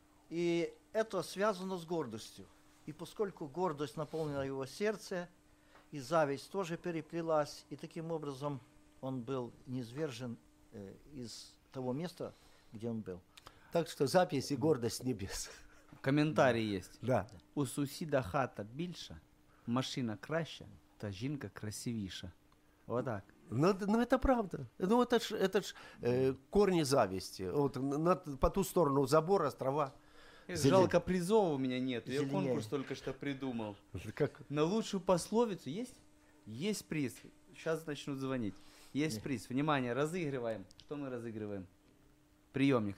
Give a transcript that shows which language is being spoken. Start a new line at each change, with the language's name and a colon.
Russian: И это связано с гордостью. И поскольку гордость наполнила его сердце, и зависть тоже переплелась, и таким образом он был низвержен из того места, где он был. Так что зависть и гордость небес. Комментарий есть. Да.
Ukrainian: У сусіда хата більша, машина краще, та жінка красивіша.
Russian: Вот так. Ну, это правда. Ну, это ж корни зависти. Вот по ту сторону забора трава. Жалко, призов у меня нет. Я конкурс только что придумал. Как? На лучшую пословицу есть? Есть приз. Сейчас начнут звонить. Есть приз. Внимание, разыгрываем. Что мы разыгрываем? Приемник.